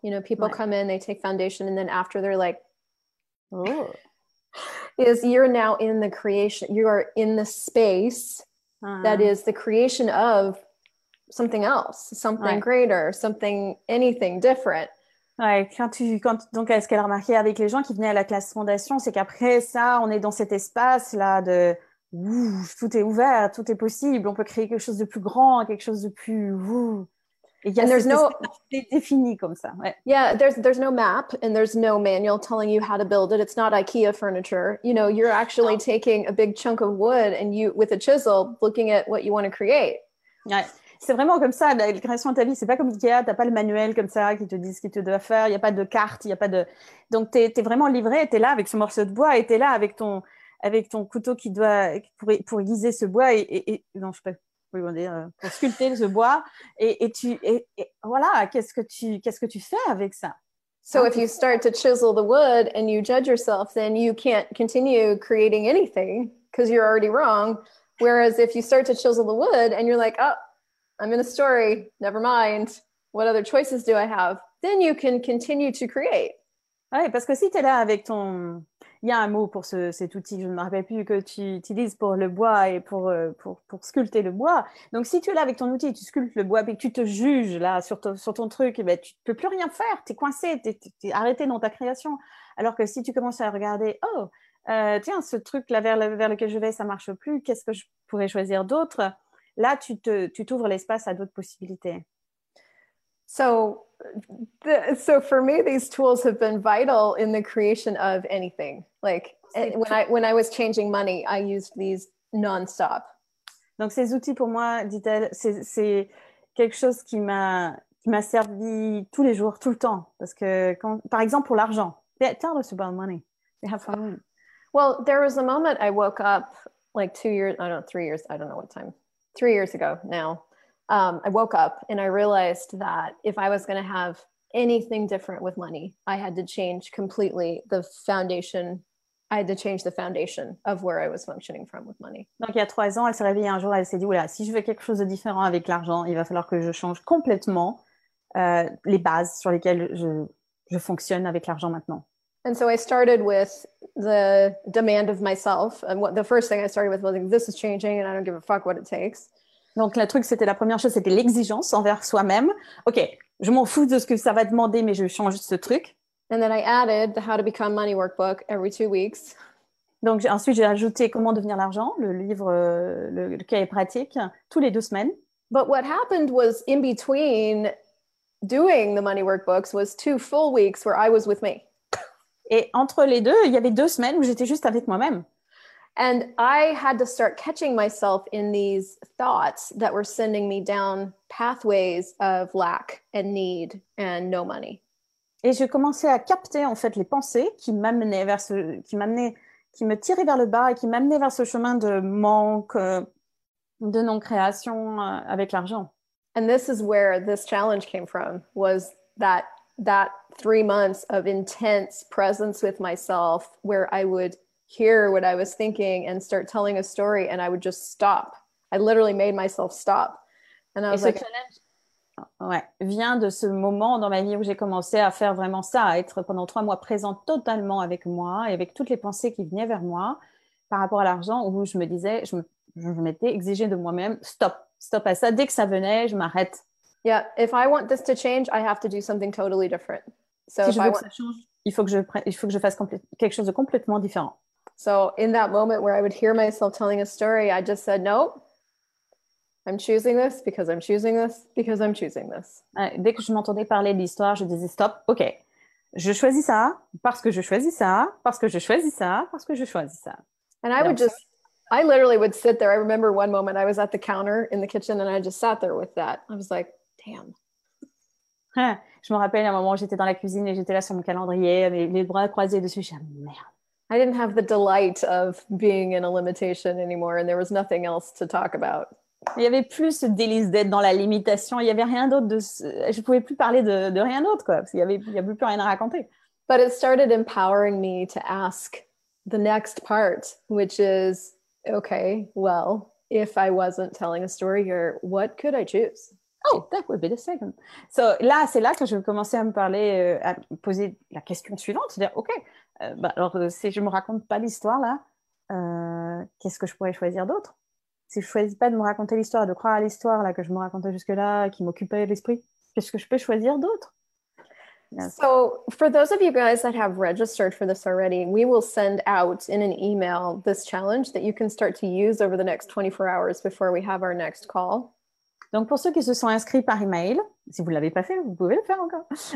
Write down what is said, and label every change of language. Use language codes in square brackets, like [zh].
[en] You know, people come in, they take foundation, and then after they're like, "Oh, is you're now in the creation. You are in the space that is the creation of something else, something greater, something, anything different." [fr] Ouais, quand ce qu'elle a remarqué avec les gens qui venaient à la classe foundation, c'est qu'après ça, on est dans cet espace-là de... Ouh, tout est ouvert, tout est possible, on peut créer quelque chose de plus grand, quelque chose de plus et il y a c'est défini comme ça. [en] Yeah, there's no map and there's no manual telling you how to build it. It's not IKEA furniture. You know, you're actually taking a big chunk of wood and you with a chisel looking at what you want to create. [fr] Ouais. C'est vraiment comme ça la création de ta vie, c'est pas comme IKEA, t'as pas le manuel comme ça qui te dit ce que tu dois faire, il y a pas de carte, il y a pas de donc t'es vraiment livré, t'es là avec ce morceau de bois et t'es là avec ton couteau qui doit pour aiguiser ce bois pour sculpter ce bois qu'est-ce que tu fais avec ça? [en] So if you start to chisel the wood and you judge yourself, then you can't continue creating anything because you're already wrong. Whereas if you start to chisel the wood and you're like, oh, I'm in a story, never mind, what other choices do I have? Then you can continue to create. [fr] Oui, parce que si tu es là avec ton... Il y a un mot pour cet outil, je ne me rappelle plus, que tu utilises pour le bois et pour sculpter le bois. Donc, si tu es là avec ton outil, tu sculptes le bois, puis tu te juges là sur ton truc, et bien, tu ne peux plus rien faire, tu es coincé, tu es arrêté dans ta création. Alors que si tu commences à regarder, tiens, ce truc-là vers lequel je vais, ça ne marche plus, qu'est-ce que je pourrais choisir d'autre? Là, tu t'ouvres l'espace à d'autres possibilités. [en] So for me, these tools have been vital in the creation of anything. Like when I was changing money, I used these nonstop. [fr] Donc ces outils pour moi, dit-elle, c'est quelque chose qui m'a servi tous les jours, tout le temps. Parce que quand, par exemple, pour l'argent, [en] tell us about money. We have fun. Well, there was a moment I woke up like 2 years, I don't know, 3 years, I don't know what time, 3 years ago now. I woke up and I realized that if I was going to have anything different with money, I had to change completely the foundation. I had to change the foundation of where I was functioning from with money. [fr] Donc, il y a 3 ans, elle s'est réveillée un jour, elle s'est dit, voilà, si je veux quelque chose de différent avec l'argent, il va falloir que je change complètement les bases sur lesquelles je fonctionne avec l'argent maintenant. [en] And so I started with the demand of myself. And the first thing I started with was like, this is changing and I don't give a fuck what it takes. [fr] Donc, le truc, c'était la première chose, c'était l'exigence envers soi-même. OK, je m'en fous de ce que ça va demander, mais je change ce truc. [en] And then I added the How to Become Money workbook every 2 weeks. [fr] Donc, ensuite, j'ai ajouté Comment devenir l'argent, le livre, le cahier pratique, tous les 2 semaines. [en] But what happened was, in between doing the money workbooks, was 2 full weeks where I was with me. [fr] Et entre les deux, il y avait deux semaines où j'étais juste avec moi-même. [en] And I had to start catching myself in these thoughts that were sending me down pathways of lack and need and no money. [fr] Et je commençais à capter en fait les pensées qui me tiraient vers le bas et qui m'amenaient vers ce chemin de manque, de non-création avec l'argent. [en] And this is where this challenge came from, was that 3 months of intense presence with myself where I would hear what I was thinking and start telling a story and I would just stop. I literally made myself stop. And I was like... [fr] Ouais, vient de ce moment dans ma vie où j'ai commencé à faire vraiment ça, à être pendant 3 mois présente totalement avec moi et avec toutes les pensées qui venaient vers moi par rapport à l'argent, où je me disais, je m'étais exigée de moi-même, stop à ça, dès que ça venait, je m'arrête. [en] Yeah, if I want this to change, I have to do something totally different. [fr] So si je veux que ça change, il faut que je fasse quelque chose de complètement différent. [en] So in that moment where I would hear myself telling a story, I just said no. I'm choosing this because I'm choosing this because I'm choosing this. [fr] Dès que je m'entendais parler de l'histoire, je disais stop, ok. Je choisis ça parce que je choisis ça parce que je choisis ça parce que je choisis ça. [en] And I would just, I literally would sit there. I remember one moment I was at the counter in the kitchen and I just sat there with that. I was like, damn. [fr] Je me rappelle un moment où j'étais dans la cuisine et j'étais là sur mon calendrier, les bras croisés dessus. J'ai dit, merde. [en] I didn't have the delight of being in a limitation anymore and there was nothing else to talk about. [fr] Il n'y avait plus ce délice d'être dans la limitation. Il n'y avait rien d'autre. Je ne pouvais plus parler de rien d'autre, quoi. Parce qu'il n'y avait plus rien à raconter. [en] But it started empowering me to ask the next part, which is, okay, well, if I wasn't telling a story here, what could I choose? Oh, that would be the second. [fr] So là, c'est là que je commençais à me parler, à poser la question suivante. C'est-à-dire, ok, alors si je ne me raconte pas l'histoire, là, qu'est-ce que je pourrais choisir d'autre? Si je ne choisis pas de me raconter l'histoire, de croire à l'histoire là, que je me racontais jusque-là, qui m'occupait l'esprit, qu'est-ce que je peux choisir d'autre? [en] So, for those of you guys that have registered for this already, we will send out in an email this challenge that you can start to use over the next 24 hours before we have our next call. [fr] Donc, pour ceux qui se sont inscrits par email, si vous ne l'avez pas fait, vous pouvez le faire encore.